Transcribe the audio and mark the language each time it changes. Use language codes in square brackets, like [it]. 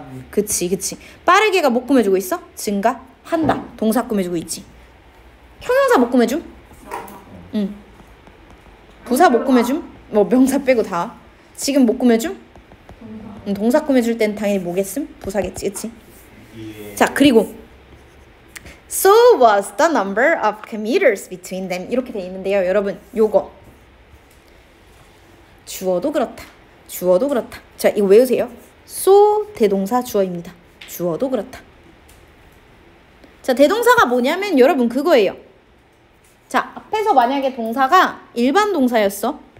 [ko] 그치, 그치. 빠르게가 뭐 꾸며주고 있어? 증가한다. 동사 꾸며주고 있지. 형용사 뭐 꾸며줌? 부사 뭐 꾸며줌? 뭐 명사 빼고 다. 지금 뭐 꾸며줌? 동사 꾸며줄 땐 당연히 뭐겠음? 부사겠지, 그치? 자, 그리고 [en] So was the number of commuters between them. [ko] 이렇게 돼 있는데요, 여러분. 요거 주어도 그렇다. 주어도 그렇다. 자, 이거 외우세요. So 대동사 주어입니다. 주어도 그렇다. 자, 대동사가 뭐냐면 여러분 그거예요. 자, 앞에서 만약에 동사가 일반 동사였어.